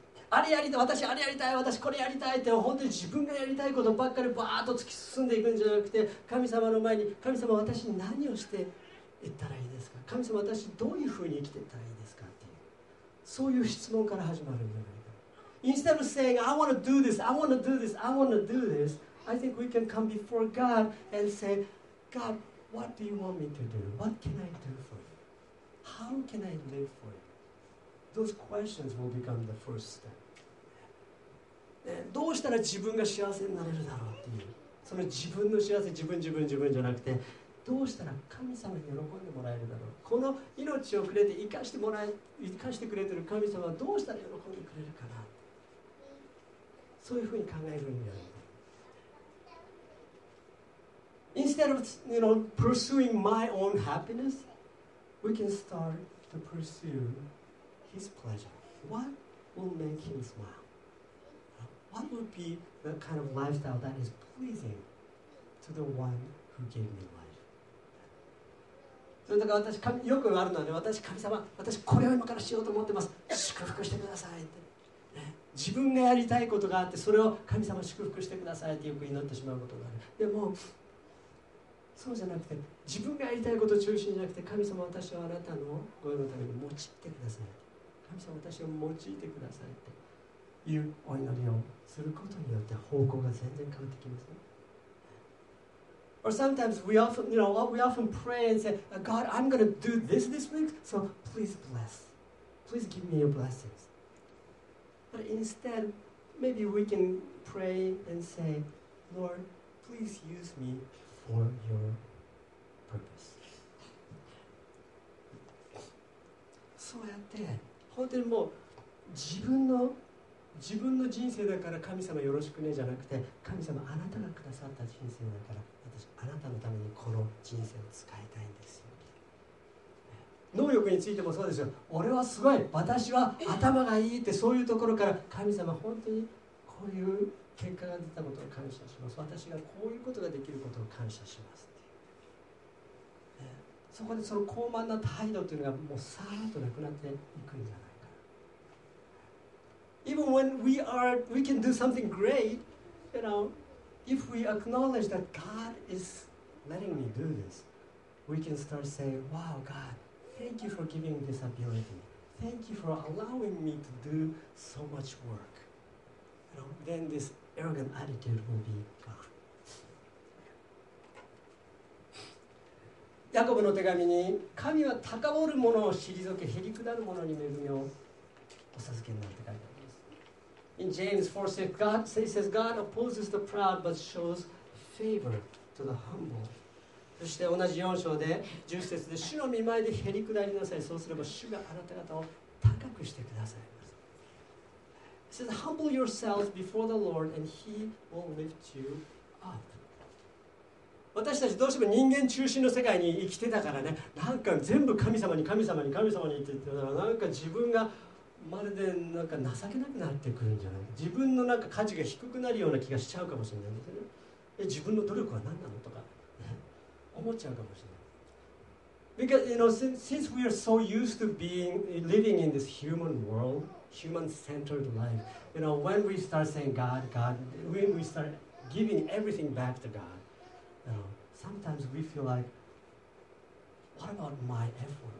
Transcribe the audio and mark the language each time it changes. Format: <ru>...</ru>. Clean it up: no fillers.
<ja>あれやりたい、私あれやりたい、私これやりたいって本当に自分がやりたいことばっかりバーッと突き進んでいくんじゃなくて、神様の前に、神様私に何をしていったらいいですか、神様私どういうふうに生きていったらいいですかっていう、そういう質問から始まるんじゃない。</ja> <en>Instead of saying, I want to do this, I want to do this, I want to do this, I think we can come before God and say, God, what do you want me to do? What can I do for you? How can I live for you? Those questions will become the first step.</en> <ja>どうしたら自分が幸せになれるだろうっていう。その自分の幸せ、自分じゃなくて、どうしたら神様に喜んでもらえるだろう。この命をくれて生かしてくれてる神様はどうしたら喜んでくれるかな。そういうふうに考えるんじゃない。</ja> <en>Instead of, you know, pursuing my own happiness, we can start to pursue his pleasure. What will make him smile? What would be the kind of lifestyle that is pleasing to the one who gave me life?</en> <ja>それだから私、よくあるのはね、私、神様、私これを今からしようと思ってます。祝福してくださいって。自分がやりたいことがあって、それを神様祝福してくださいってよく祈ってしまうことがある。でもそうじゃなくて、自分がやりたいこと中心じゃなくて、神様私はあなたのご用のために用いてください、神様私を用いてくださいっていうお祈りをすることによって方向が全然変わってきますね。</ja> <en>Or sometimes we often, you know, we often pray and say, God, I'm going to do this this week, so please bless. Please give me your blessings. But instead, maybe we can pray and say, Lord, please use me for your purpose.</en> <ja>そうやって、本当にもう自分の自分の人生だから神様よろしくねじゃなくて、神様あなたがくださった人生だから私あなたのためにこの人生を使いたいんですよ。能力についてもそうですよ。俺はすごい、私は頭がいいって、そういうところから神様本当にこういう結果が出たことを感謝します、私がこういうことができることを感謝しますっていう、そこでその傲慢な態度というのがもうさーっとなくなっていくんじゃない。</ja> <en>Even when we can do something great, you know, if we acknowledge that God is letting me do this, we can start saying, wow, God, thank you for giving this ability. Thank you for allowing me to do so much work. You know, then this arrogant attitude will be gone.</en> <ja>ヤコブの手紙に、神は高ぶる者を退け、へりくだる者に恵みをお授けになるって書いてある。</ja> <en>In James 4:6, God says, God opposes the proud but shows favor to the humble.</en> <ja>そして同じ4章で10節で、主の御前でへりくだりなさい、そうすれば主があなた方を高くしてくださいます。</ja> <en>It says, humble yourselves before the Lord and he will lift you up.</en> <ja>私たちどうしても人間中心の世界に生きてたからね、なんか全部神様に神様に神様にって言ってたら、なんか自分がまるでなんか情けなくなってくるんじゃないか、自分のなんか価値が低くなるような気がしちゃうかもしれないですね。自分の努力は何なのとか、ね、思っちゃうかもしれない。</ja> <en>Because you know, since we are so used to being living in this human world, human-centered life, you know, when we start saying God, God, when we start giving everything back to God, you know, sometimes we feel like, what about my effort?</en>